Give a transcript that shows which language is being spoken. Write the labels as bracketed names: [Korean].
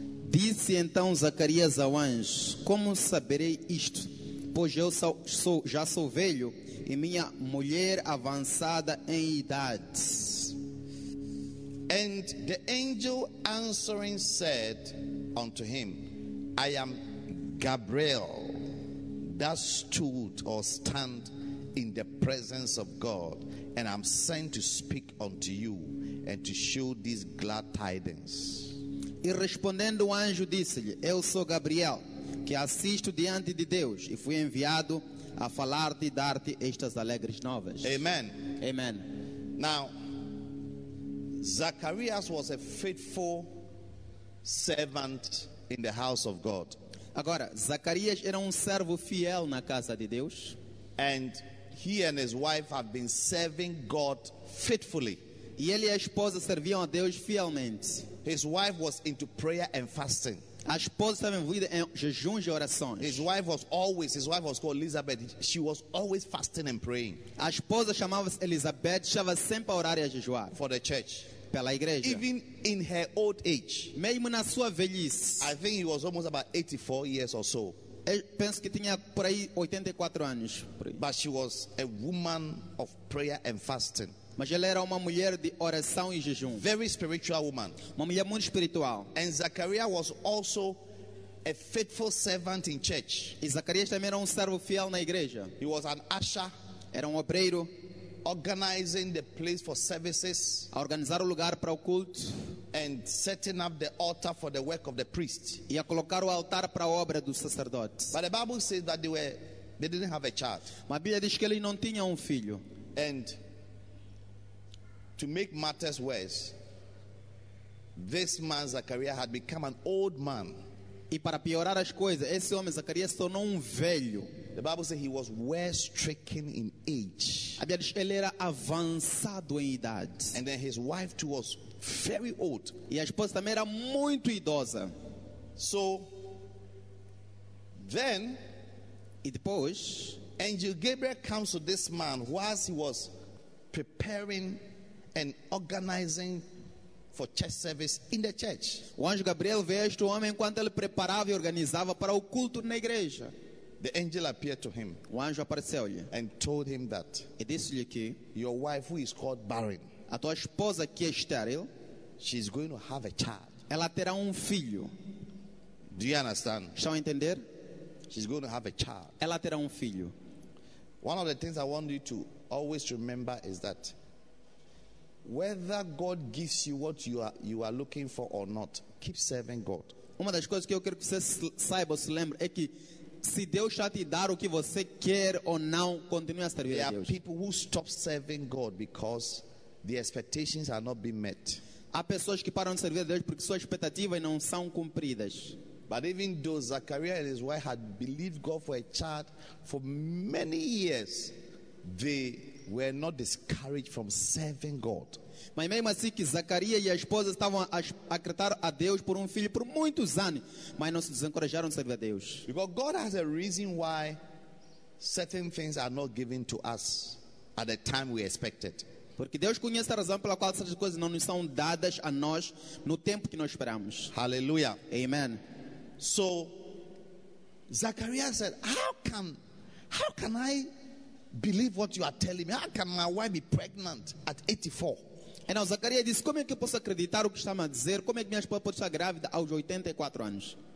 [Portuguese] Disse então Zacarias ao anjo, Como saberei isto? Pois eu já sou velho, e minha mulher avançada em idade. [English] And the angel answering said unto him, I am Gabriel that stood or stand in the presence of God, and I'm sent to speak unto you and to show these glad tidings. [Portuguese] E respondendo o anjo disse-lhe, Eu sou Gabriel, que assisto diante de Deus, e fui enviado a falar-te e dar-te estas alegres novas. [English] Amen. [Portuguese] Amen. [English] Now, Zacharias was a faithful servant in the house of God. [Portuguese] Agora, Zacarias era servo fiel na casa de Deus. [English] And he and his wife have been serving God faithfully. [Portuguese] E ele e a esposa serviam a Deus fielmente. [English] His wife was into prayer and fasting. [Portuguese] A esposa estava envolvida em jejuns e orações. [English] His wife was called Elizabeth. She was always fasting and praying. [Portuguese] A esposa chamava-se Elizabeth, estava sempre a orar e a jejuar. [English] For the church. [Portuguese] Pela igreja. [English] Even in her old age. [Portuguese] Mesmo na sua velhice. [English] I think he was almost about 84 years or so. [Portuguese] Eu penso que tinha por aí 84 anos. Por aí. [English] But she was a woman of prayer and fasting. [Portuguese] Mas ela era uma mulher de oração e jejum. [English] Very spiritual woman. [Portuguese] Uma mulher muito espiritual. [English] And Zachariah was also a faithful servant in church. [Portuguese] E Zacarias também era servo fiel na igreja. [English] He was an usher. [Portuguese] Era obreiro. [English] Organizing the place for services. [Portuguese] A organizar o lugar para o culto. [English] And setting up the altar for the work of the priest. [Portuguese] E a colocar o altar para a obra do sacerdote. [English] But the Bible says that they didn't have a child. [Portuguese] Mas a Bíblia diz que eles não tinham filho. [English] And to make matters worse, this man Zacharias had become an old man. [Portuguese] E para piorar as coisas, esse homem Zacarias se tornou velho. [English] The Bible says he was well stricken in age. [Portuguese] A Bíblia diz que ele era avançado em idade. [English] And then his wife too was very old. [Portuguese] E a esposa também era muito idosa. [English] So then, [Portuguese] e depois, [English] angel Gabriel comes to this man whilst he was preparing and organizing for church service in the church. [Portuguese] O anjo Gabriel veio a este homem enquanto ele preparava e organizava para o culto na igreja. [English] The angel appeared to him. [Portuguese] O anjo apareceu-lhe. [English] And told him that. [Portuguese] E disse-lhe que. [English] Your wife, who is called barren. [Portuguese] A tua esposa que é estéril. [English] She's going to have a child. [Portuguese] Ela terá filho. [English] Do you understand? [Portuguese] Estão a entender? [English] She's going to have a child. [Portuguese] Ela terá filho. [English] One of the things I want you to always remember is that whether God gives you what you are looking for or not, keep serving God. [Portuguese] Uma das coisas que eu quero que você saiba, se lembre, é que Se Deus já te dar o que você quer ou não, continue a servir a Deus. [English] There are people who stop serving God because the expectations are not being met. [Portuguese] Há pessoas que param de servir a Deus porque suas expectativas não são cumpridas. [English] But even though Zachariah and his wife had believed God for a child for many years, they were not discouraged from serving God. [Portuguese] Mas mesmo assim que Zacarias e a esposa estavam a acreditar a Deus por um filho por muitos anos, mas não se desencorajaram de servir a Deus. [English] Because God has a reason why certain things are not given to us at the time we expected. [Portuguese] Porque Deus conhece a razão pela qual certas coisas não nos são dadas a nós no tempo que nós esperamos. [English] Hallelujah. [Portuguese] Amen. [English] So Zachariah said, how can I believe what you are telling me? How can my wife be pregnant at 84? And now [Portuguese] Zachariah disse, como é que eu posso acreditar o que está a dizer? Como é que minha esposa pode estar grávida aos 84 anos?